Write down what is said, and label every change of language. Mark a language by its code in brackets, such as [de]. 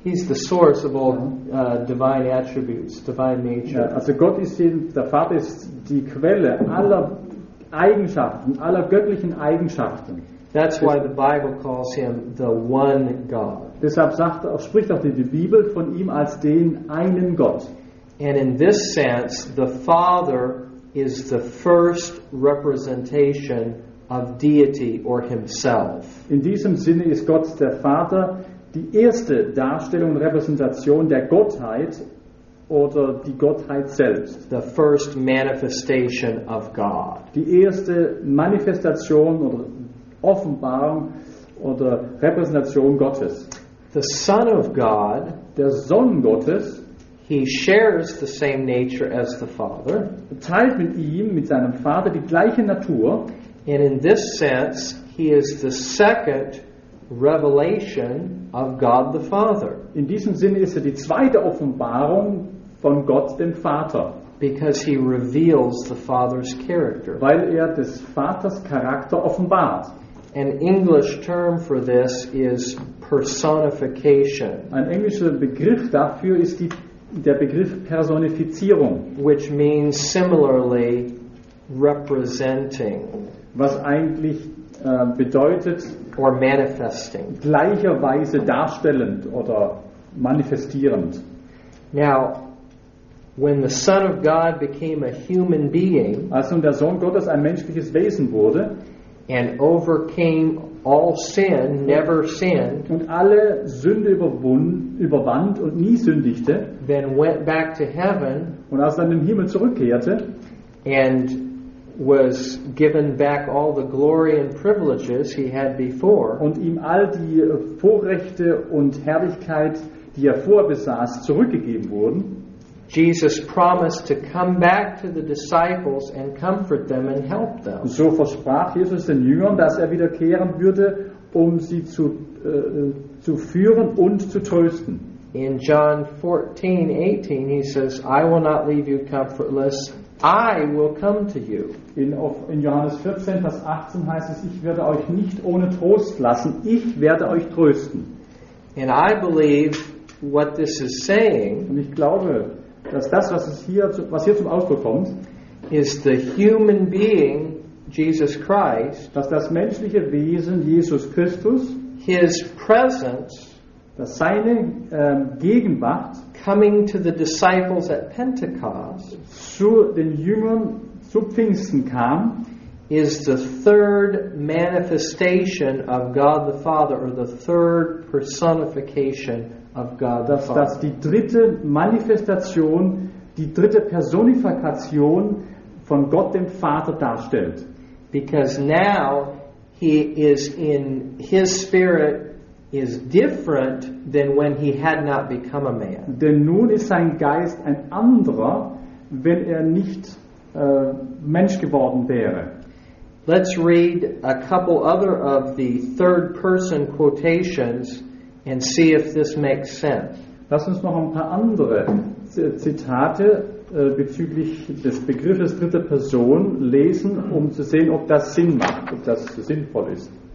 [en] He's the source of all divine attributes, divine nature. [de] Ja, also Gott ist eben, der Vater ist die Quelle aller Eigenschaften, aller göttlichen Eigenschaften. [en] That's why the Bible calls him the one God. [de] Deshalb sagt, spricht auch die Bibel von ihm als den einen Gott. [en] And in this sense, the Father is the first representation of deity or himself. [de] In diesem Sinne ist Gott der Vater die erste Darstellung und Repräsentation der Gottheit oder die Gottheit selbst. [en] The first manifestation of God. [de] Die erste Manifestation oder Offenbarung oder Repräsentation Gottes. [en] The Son of God, [de] der Sohn Gottes, [en] he shares the same nature as the Father. [de] Teilt mit ihm, mit seinem Vater, die gleiche Natur. [en] And in this sense, he is the second revelation of God the Father. [de] In diesem Sinne ist er die zweite Offenbarung von Gott dem Vater. [en] Because he reveals the Father's character. [de] Weil er des Vaters Charakter offenbart. [en] An English term for this is personification. [de] Ein englischer Begriff dafür ist der Begriff Personifizierung. [en] Which means similarly representing. [de] Was eigentlich bedeutet, [en] or manifesting. [de] Gleicherweise darstellend oder manifestierend. [en] Now, when the Son of God became a human being, [de] als nun der Sohn Gottes ein menschliches Wesen wurde, [en] and overcame all sin, never sinned, [de] und alle Sünde überwand und nie sündigte, [en] then went back to heaven, [de] und als dann im Himmel zurückkehrte, [en] and was given back all the glory and privileges he had before, [de] und ihm all die Vorrechte und Herrlichkeit, die er vorher besaß, zurückgegeben wurden, [en] Jesus promised to come back to the disciples and comfort them and help them. [de] So versprach Jesus den Jüngern, dass er wiederkehren würde, um sie zu führen und zu trösten. [en] In John 14:18 he says, I will not leave you comfortless, I will come to you. [de] In Johannes 14, Vers 18 heißt es, ich werde euch nicht ohne Trost lassen, ich werde euch trösten. [en] And I believe what this is saying, [de] und ich glaube, dass das, was hier zum Ausdruck kommt, [en] is the human being Jesus Christ, [de] dass das menschliche Wesen Jesus Christus, [en] his presence, [de] dass seine Gegenwart, [en] coming to the disciples at Pentecost, [de] zu den Jüngern zu Pfingsten kam, [en] is the third manifestation of God the Father, or the third personification of God the Father. [de] Dass die dritte Manifestation, die dritte Personifikation von Gott dem Vater darstellt. [en] Because now he is in his spirit is different than when he had not become a man. [de] Denn nun ist sein Geist ein anderer, wenn er nicht Mensch geworden wäre. [en] Let's read a couple other of the third person quotations and see if this makes sense. [de] Lass uns noch ein paar andere Zitate bezüglich des Begriffes dritte Person lesen, um zu sehen, ob das Sinn macht, ob das sinnvoll ist.